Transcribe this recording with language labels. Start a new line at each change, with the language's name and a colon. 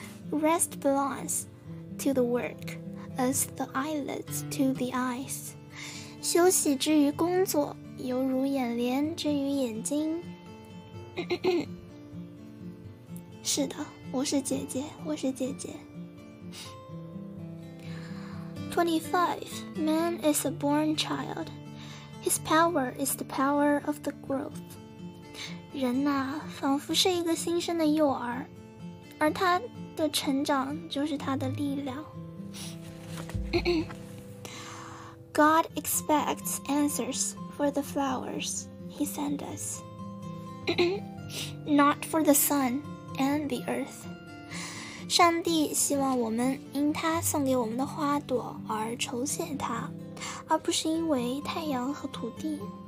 English: Rest belongs to the work, as the eyelids to the eyes.
Chinese: 休息之于工作，犹如眼帘之于眼睛。是的，我是姐姐，我是姐姐。
English: 25. Man is a born child. His power is the power of the growth.
Chinese: 人呐、啊，仿佛是一个新生的幼儿，而他的成长就是他的力量。
English: God expects answers for the flowers he sent us. Not for the sun. And the earth.
Chinese: 上帝希望我们因他送给我们的花朵而酬谢他，而不是因为太阳和土地。